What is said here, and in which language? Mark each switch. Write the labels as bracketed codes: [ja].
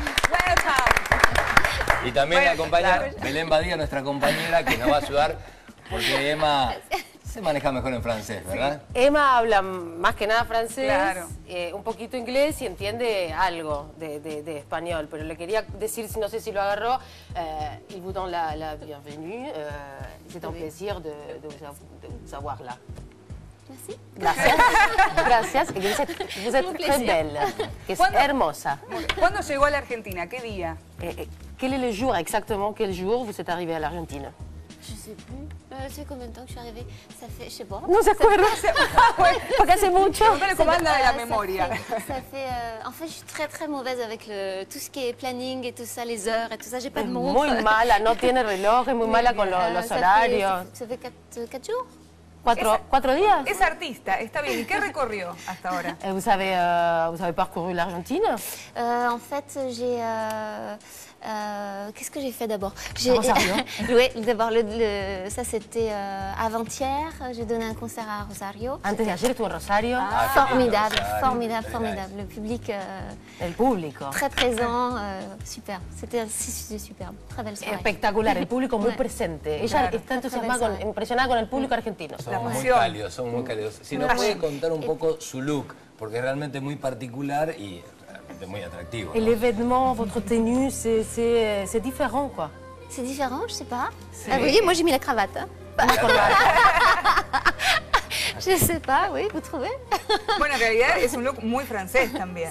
[en] Welcome. [es] Y también la acompaña Belén Badía, nuestra compañera, que nos va a ayudar, porque Emma se maneja mejor en francés, ¿verdad? Sí. Emma habla más que nada francés, un poquito inglés y entiende algo de español. Pero le quería decir, no sé si lo agarró, [fr] il vous donne la bienvenue, c'est un plaisir de vous avoir là. [es] Gracias. Gracias. [fr] Vous êtes très belle. [es] Es hermosa. ¿Cuándo llegó a la Argentina? ¿Qué día? [fr] Quel est le jour exactement? Quel jour vous êtes arrivée à l'Argentine? Je sais plus. C'est combien de temps que je suis arrivée? Ça fait, je sais pas. Non, c'est quoi? Non, c'est quoi? Parce que c'est mon choix. Je me recommande la mémoire. En fait, je suis très très mauvaise avec tout ce qui est planning et tout ça, les heures et tout ça. J'ai pas de montre. [es] Muy mala, no tiene reloj, es muy mala con los horarios. [fr] Ça fait 4 jours? [es] ¿Cuatro días? Es artista, está bien. ¿Y qué recorrió hasta ahora? ¿Vos habéis parcouru la Argentina? [fr] En fait, j'ai. Qu'est-ce que j'ai fait d'abord? Rosario. Oui, d'abord, ça c'était avant-hier. J'ai donné un concert à Rosario. [es] Antes de ayer, tu en Rosario. [fr] Ah, formidable, Rosario. Formidable, formidable. Le public. [es] El público. [fr] Très présent, super. C'était superbe. Très belle soirée. [es] Espectacular, el público muy presente. Ella está entusiasmada, impresionada con el público argentino. Son muy cálidos. Si nos puede contar un poco su look, porque es realmente muy particular y. Muy atractivo, [fr] et l'événement, votre tenue, c'est différent, quoi. C'est différent, je sais pas. Vous voyez, moi j'ai mis la cravate. Je sais pas, oui, vous trouvez. [es] Bueno, en realidad, es un look muy francés también.